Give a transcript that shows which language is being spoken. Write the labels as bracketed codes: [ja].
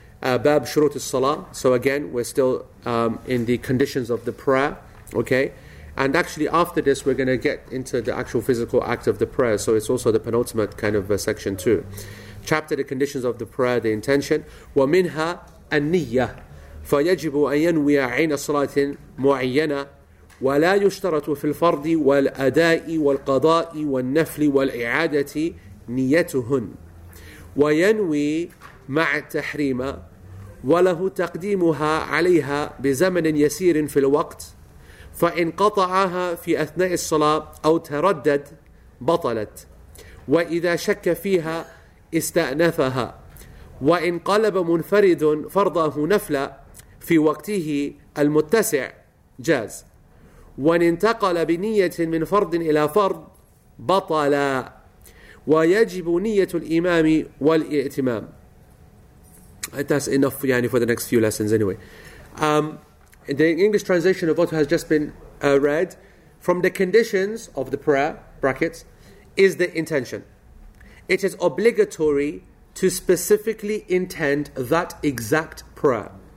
[ar] Bab shurut as-salah. [en] So again, we're still in the conditions of the prayer. Okay. And actually, after this, we're going to get into the actual physical act of the prayer. So it's also the penultimate kind of section too. Chapter, the conditions of the prayer, the intention. [ar] Wa minha an-niyyah. فيجب أن ينوي عين صلاة معينة ولا يشترط في الفرض والأداء والقضاء والنفل والإعادة نيتهن وينوي مع التحريم وله تقديمها عليها بزمن يسير في الوقت فإن قطعها في أثناء الصلاة أو تردد بطلت وإذا شك فيها استأنفها وإن قلب منفرد فرضه نفلا في وقته المتسع جاز وان انتقل بنية من فرض إلى فرض بطل ويجب نية الإمام والإئتمام. [en] That's enough for the next few lessons anyway. The English translation of what has just been read, from the conditions of the prayer, brackets, is the intention. It is obligatory to specifically intend that exact prayer.